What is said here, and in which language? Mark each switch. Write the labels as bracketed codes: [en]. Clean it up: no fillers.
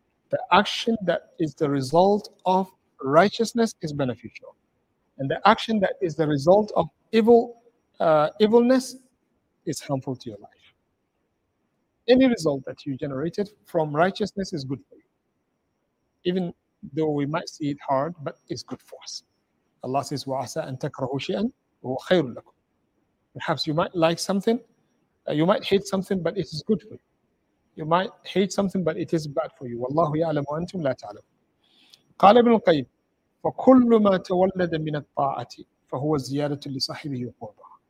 [en] The action that is the result of righteousness is beneficial. And the action that is the result of evilness is harmful to your life. Any result that you generated from righteousness is good for you. Even though we might see it hard, but it's good for us. Allah says, [ar] وَعَسَىٰ أَن تَكْرَهُ شِيئًا وَخَيْرٌ لَكُمْ. [en] Perhaps you might like something, you might hate something, but it is good for you. You might hate something, but it is bad for you. [ar] وَاللَّهُ يَعْلَمُ وَأَنْتُمْ لَا تَعْلَمُ. قَالَ ابْنُ الْقَيِّمِ فَكُلُّ مَا تَوَلَّدَ مِنَ الطَّاعَةِ فَهُوَ زِيَادَةٌ لِصَاحِبِهِ وَقُرْبَةٌ.